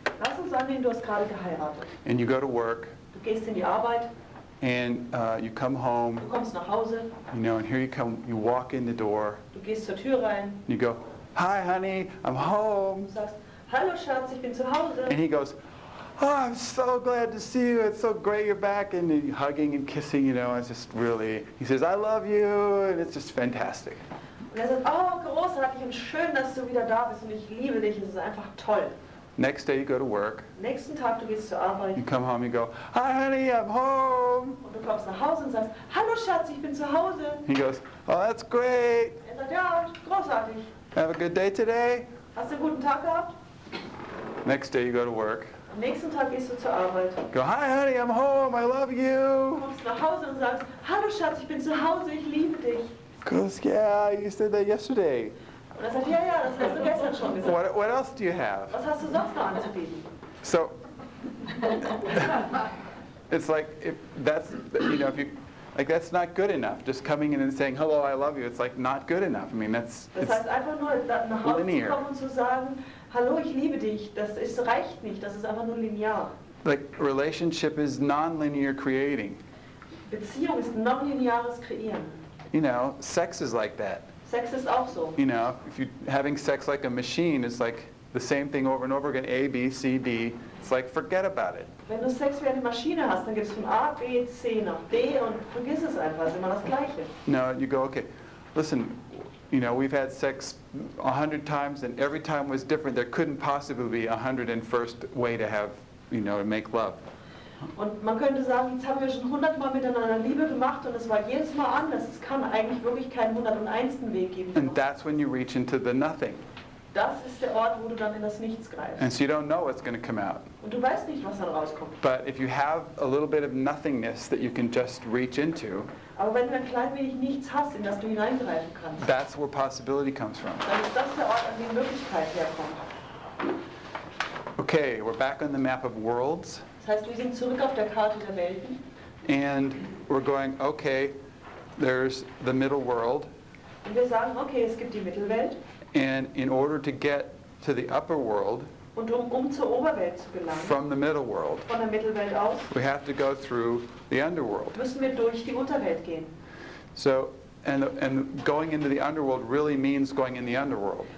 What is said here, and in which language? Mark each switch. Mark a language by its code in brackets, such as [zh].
[de] Lass uns annehmen, du hast gerade geheiratet. [en] And you go to work. [de] Du gehst in die Arbeit. [en] And you come home. [de] Du kommst nach Hause. [en] You know, and here you come. You walk in the door. [de] Du gehst zur Tür rein. [en] You go, "Hi, honey, I'm home." [de] Du sagst, "Hallo, Schatz, ich bin zu Hause." [en] And he goes, "Oh, I'm so glad to see you. It's so great you're back." And hugging and kissing, you know, it's just really. He says, "I love you," and it's just fantastic. [de] Und er sagt, "Oh, großartig und schön, dass du wieder da bist, und ich liebe dich. Es ist einfach toll." [en] Next day you go to work. [de] Nächsten Tag du gehst zur Arbeit. [en] You come home, you go, "Hi, honey, I'm home." [de] Und du kommst nach Hause und sagst, "Hallo, Schatz, ich bin zu Hause." [en] He goes, "Oh, that's great." [de] Er sagt, "Ja, großartig." [en] "Have a good day today." [de] Hast du einen guten Tag gehabt? [en] Next day you go to work. [de] Am nächsten Tag gehst du zur Arbeit. [en] Go, "Hi, honey, I'm home. I love you." [de] Du kommst nach Hause und sagst, "Hallo, Schatz, ich bin zu Hause. Ich liebe dich." [en] He goes, "Yeah, you said that yesterday." What else do you have? So, it's like, if that's, you know, if you, like, that's not good enough. Just coming in and saying, "Hello, I love you," it's like not good enough. I mean, that's it's linear. Like, relationship is non-linear creating. You know, sex is like that. [de] Sex ist auch so. [en] You know, if you're having sex like a machine, it's like the same thing over and over again, A, B, C, D. It's like, forget about it. [de] Wenn du Sex wie eine Maschine hast, dann gibt es von A, B, C nach D und vergiss es einfach, ist immer das Gleiche. [en] No, you go, "Okay, listen, you know, we've had sex 100 times and every time was different. There couldn't possibly be a 101st way to have, you know, to make love." [de] Und man könnte sagen, jetzt haben wir schon 100 Mal miteinander Liebe gemacht und es war jedes Mal anders. Es kann eigentlich wirklich keinen 101. Weg geben. [en] And that's when you reach into the nothing. [de] Das ist der Ort, wo du dann in das Nichts greifst. [en] And so you don't know what's going to come out. [de] Und du weißt nicht, was dann rauskommt. [en] But if you have a little bit of nothingness that you can just reach into. [de] Aber wenn du ein klein wenig nichts hast, in das du hineingreifen kannst. [en] That's where possibility comes from. [de] Dann ist das der Ort, an dem Möglichkeit herkommt. [en] Okay, we're back on the map of worlds. [de] Das heißt, wir sind zurück auf der Karte der Welten. [en] And we're going, okay, there's the middle world. [de] Und wir sagen, okay, es gibt die Mittelwelt. [en] And in order to get to the upper world, [de] und um zur Oberwelt zu gelangen, [en] from the middle world, [de] von der Mittelwelt aus, [en] we have to go through the underworld. [de] Müssen wir durch die Unterwelt gehen. [en] So, and going into the underworld really means going in the underworld.